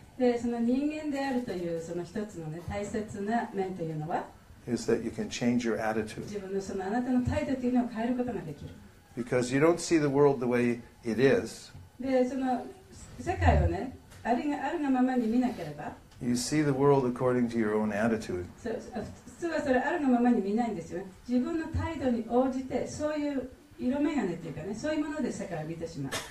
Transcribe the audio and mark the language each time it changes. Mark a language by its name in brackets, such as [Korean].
[Japanese] で、その人間であるというその一つのね、大切な面というのは [English] is that you can change your attitude. [Japanese] 自分のそのあなたの態度というのを変えることができる。 [English] Because you don't see the world the way it is. [Japanese] で、その世界をね、あるがままに見なければ [English] you see the world according to your own attitude. [Japanese] そう、普通はそれあるがままに見ないんですよ。自分の態度に応じてそういう色眼鏡というかね、そういうもので世界を見てしまう。